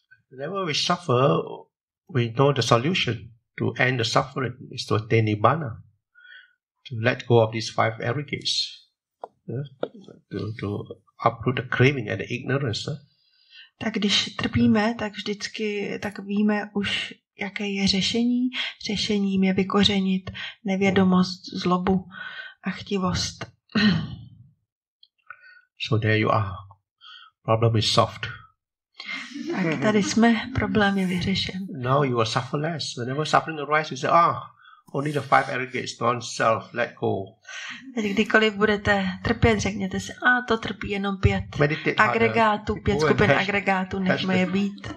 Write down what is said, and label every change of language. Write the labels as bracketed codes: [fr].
[en] Whenever we suffer, we know the solution to end the suffering is to attain nibbana, to let go of these five aggregates, to uproot the craving and the ignorance. [cs] Tak když trpíme, tak vždycky tak víme už, jaké je řešení. Řešením je vykořenit nevědomost, zlobu a chtivost. [en] So there you are. Problem is solved. [cs] Tak tady jsme, problém je vyřešen. [en] Now you will suffer less. Whenever suffering arises, you say, "Ah, Only the five aggregates, non-self, let go. [cs] Kdykoliv budete trpět, řekněte si, a to trpí jenom pět [en] meditate [cs] agregátů, [en] harder. [cs] Pět skupin agregátů, než moje být.